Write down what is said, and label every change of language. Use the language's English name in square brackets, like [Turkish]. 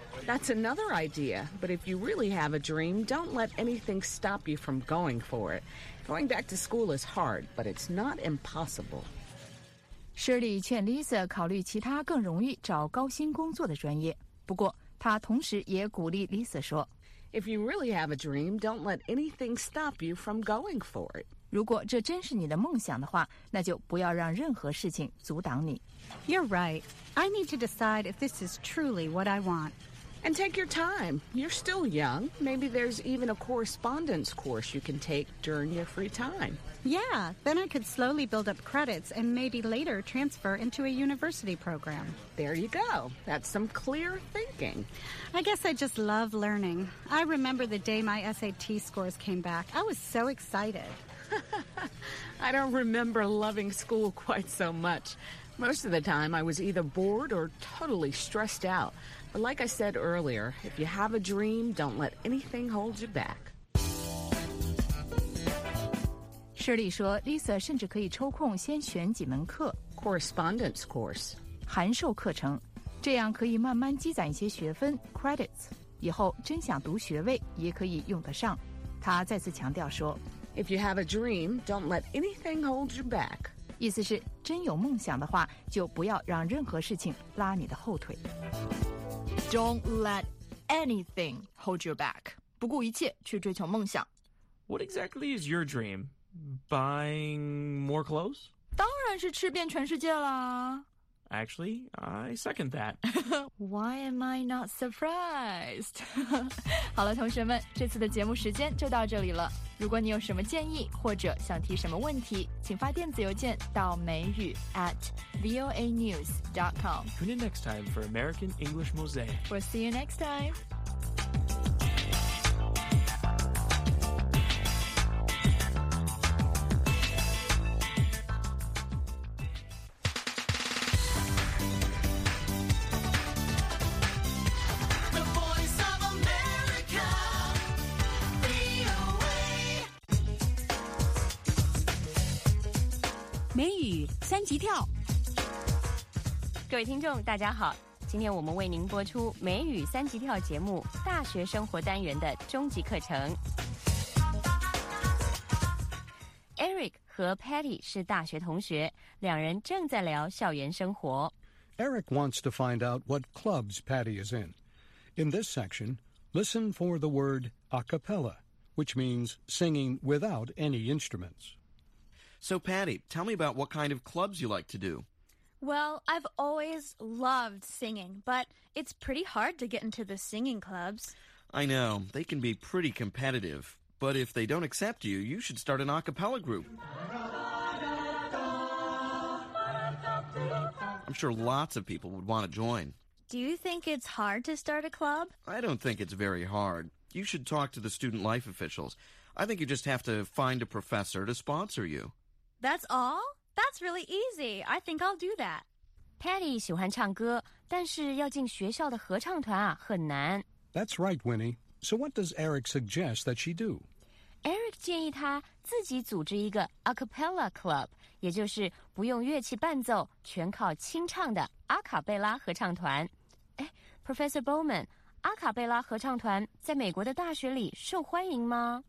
[English] That's another idea, but if you really have a dream, don't let anything stop you from going for it. Going back to school is hard, but it's not impossible. [Chinese] Shirley 劝 Lisa 考虑其他更容易找高薪工作的专业。不过，她同时也鼓励 Lisa 说 [English] If you really have a dream, don't let anything stop you from going for it. [Chinese] 如果这真是你的梦想的话，那就不要让任何事情阻挡你。 [English] You're right. I need to decide if this is truly what I want. And take your time. You're still young. Maybe there's even a correspondence course you can take during your free time. Yeah, then I could slowly build up credits and maybe later transfer into a university program. There you go. That's some clear thinking. I guess I just love learning. I remember the day my SAT scores came back. I was so excited. I don't remember loving school quite so much. Most of the time, I was either bored or totally stressed out. But like I said earlier, if you have a dream, don't let anything hold you back. [Chinese] Shirley 说 Lisa 甚至可以抽空先选几门课 [English] Correspondence course. [Chinese] 函授课程，这样可以慢慢积攒一些学分 credits. 以后真想读学位也可以用得上。他再次强调说 [English] If you have a dream, don't let anything hold you back. [Chinese] 意思是真有梦想的话，就不要让任何事情拉你的后腿。 [English] Don't let anything hold you back. [Chinese] 不顾一切去追求梦想。 [English] What exactly is your dream? Buying more clothes? [Chinese] 当然是吃遍全世界啦。 [English] Actually, I second that. Why am I not surprised? [Chinese] 好了，同学们，这次的节目时间就到这里了。如果你有什么建议或者想提什么问题，请发电子邮件到美语 @voanews.com. [English] Tune in next time for American English Mosaic. We'll see you next time. [Chinese] 美语三级跳。各位听众大家好，今天我们为您播出美语三级跳节目大学生活单元的终极课程。 Eric 和 Patty 是大学同学，两人正在聊校园生活。 [English] Eric wants to find out what clubs Patty is in. In this section, listen for the word a cappella, which means singing without any instruments. So Patty, tell me about what kind of clubs you like to do. Well, I've always loved singing, but it's pretty hard to get into the singing clubs. I know. They can be pretty competitive. But if they don't accept you, you should start an a cappella group. I'm sure lots of people would want to join. Do you think it's hard to start a club? I don't think it's very hard. You should talk to the student life officials. I think you just have to find a professor to sponsor you. That's all? That's really easy. I think I'll do that. [Chinese] Patty 喜欢唱歌，但是要进学校的合唱团啊，很难。 [English] That's right, Winnie. So what does Eric suggest that she do? [Chinese] Eric 建议他自己组织一个 a cappella club, 也就是不用乐器伴奏，全靠清唱的阿卡贝拉合唱团。哎 ，Professor Bowman, 阿卡贝拉合唱团在美国的大学里受欢迎吗